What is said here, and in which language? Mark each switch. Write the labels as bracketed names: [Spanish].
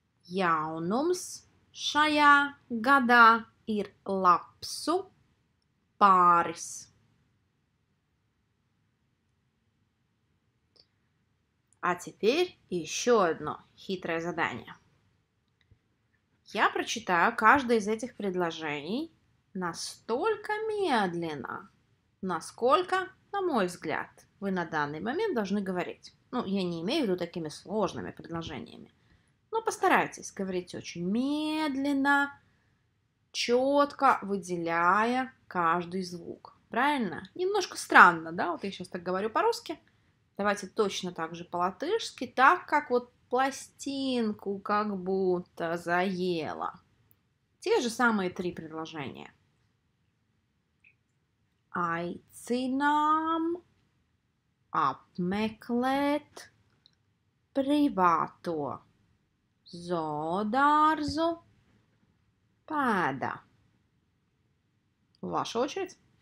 [Latvian] Jaunums šajā gadā ir lapsu pāris. [Russian] А теперь еще одно хитрое задание. Я прочитаю каждое из этих предложений настолько медленно, насколько, на мой взгляд, вы на данный момент должны говорить. Ну, я не имею в виду такими сложными предложениями. Но постарайтесь говорить очень медленно, четко выделяя каждый звук. Правильно? Немножко странно, да? Вот я сейчас так говорю по-русски. Давайте точно так же по-латышски, так как вот пластинку как будто заело. Те же самые три предложения. [Latvian] Aicinām apmeklēt privāto zoodārzu pēda. [Russian] Ваша очередь.